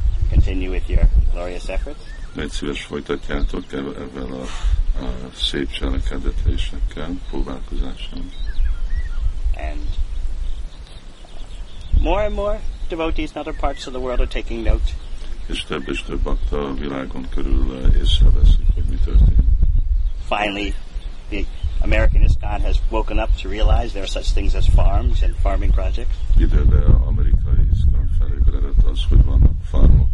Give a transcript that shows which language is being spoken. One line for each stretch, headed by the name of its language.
English: Continue with your glorious efforts.
Hungarian: Nagy szíves folytatjátok ebben a szép cselekedetésekkel, próbálkozáson.
English: And more and more devotees in other parts of the world are taking note.
Hungarian: És több bakta a világon körül észreveszik, hogy mi történik.
English: Finally, the American ISKCON has woken up to realize there are such things as farms and farming projects.
Hungarian: Idebe a amerikai ISKCON felébredett az, hogy vannak farmok.